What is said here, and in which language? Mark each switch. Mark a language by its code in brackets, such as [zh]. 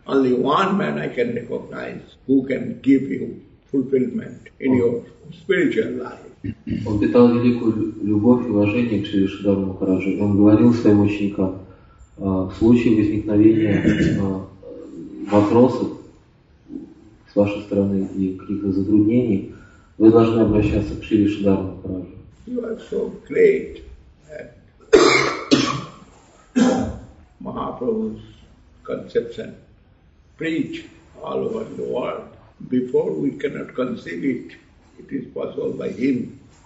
[en] Only one man I can recognize who can give you fulfillment in your spiritual life. [ru] Он питал великую любовь и уважение к Шридхару Махараджу. Он говорил своим ученикам, в случае возникновения вопросов с вашей стороны и каких-то затруднений, вы должны обращаться к Шридхару Махараджу. [en] You are so great at Mahaprabhu's conception. Preach all over the world. Before we cannot conceive it, it is possible by him.